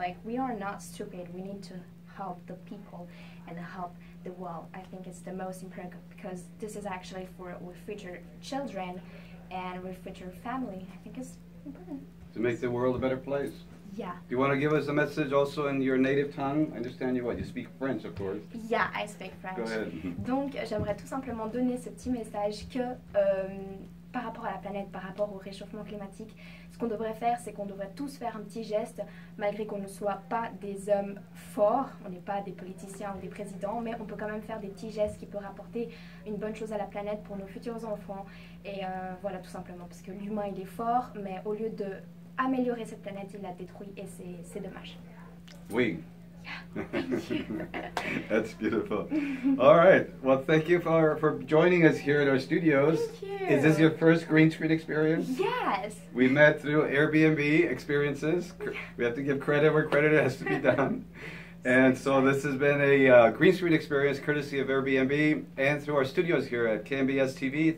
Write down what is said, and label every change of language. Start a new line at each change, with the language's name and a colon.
English: Like, we are not stupid. We need to help the people and help the world. I think it's the most important, because this is actually for our future children and our future family. I think it's important. To make the world a better place. Yeah. Do you want to give us a message also in your native tongue? I understand you speak French, of course. Yeah, I speak French. Go ahead.
French: Donc, j'aimerais tout simplement donner ce petit message que par rapport à la planète, par rapport au réchauffement climatique, ce qu'on devrait faire, c'est qu'on devrait tous faire un petit geste, malgré qu'on ne soit pas des hommes forts, on n'est pas des politiciens ou des présidents, mais on peut quand même faire des petits gestes qui peuvent apporter une bonne chose à la planète pour nos futurs enfants. Et voilà, tout simplement, parce que l'humain, il est fort, mais au lieu de améliorer cette planète, il la détruit et c'est dommage. Oui.
English: Yeah. That's beautiful. All right. Well, thank you for joining us here at our studios. Thank you. Is this your first green screen experience? Yes. We met through AIRBNB experiences. We have to give credit where credit has to be done. And so this has been a green screen experience courtesy of AIRBNB and through our studios here at KNBSTV.